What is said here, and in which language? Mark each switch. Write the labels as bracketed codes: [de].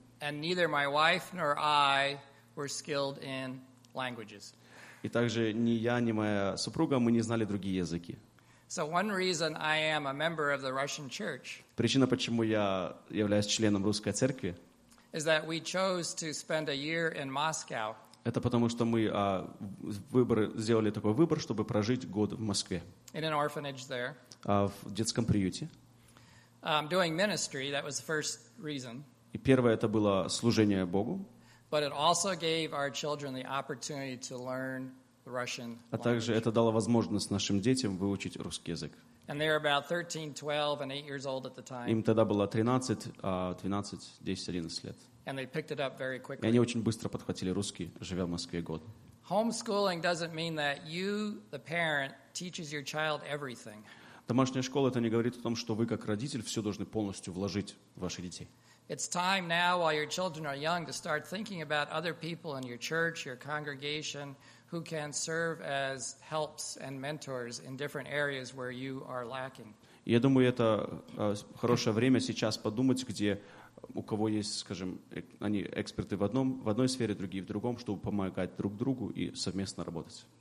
[en] And neither my wife nor I were skilled in languages. [ru] И также ни я, ни моя супруга, мы не знали другие языки. [en] So one reason I am a member of the Russian church. [ru] Причина, почему я являюсь членом русской церкви, [en] is that we chose to spend a year in Moscow. [ru] Это потому, что мы сделали такой выбор, чтобы прожить год в Москве. [en] In an orphanage there. [ru] В детском приюте. [en] Doing ministry, that was the first reason. [ru] И первое это было служение Богу. [en] But it also gave our children the opportunity to learn the Russian language. [ru] А также это дало возможность нашим детям выучить русский язык. [en] And they were about 13, 12, and 8 years old at the time. [ru] Им тогда было 12, 10, 11 лет. [en] And they picked it up very quickly. [ru] И они очень быстро подхватили русский, живя в Москве год. [en] Homeschooling doesn't mean that you, the parent, teaches your child everything. [ru] Домашняя школа это не говорит о том, что вы как родитель все должны полностью вложить в ваших детей. [en] It's time now, while your children are young, to start thinking about other people in your church, your congregation, who can serve as helps and mentors in different areas where you are lacking. [ru] Я думаю, это хорошее время сейчас подумать, где у кого есть, скажем, они эксперты в одной сфере, другие в другом, чтобы помогать друг другу и совместно работать.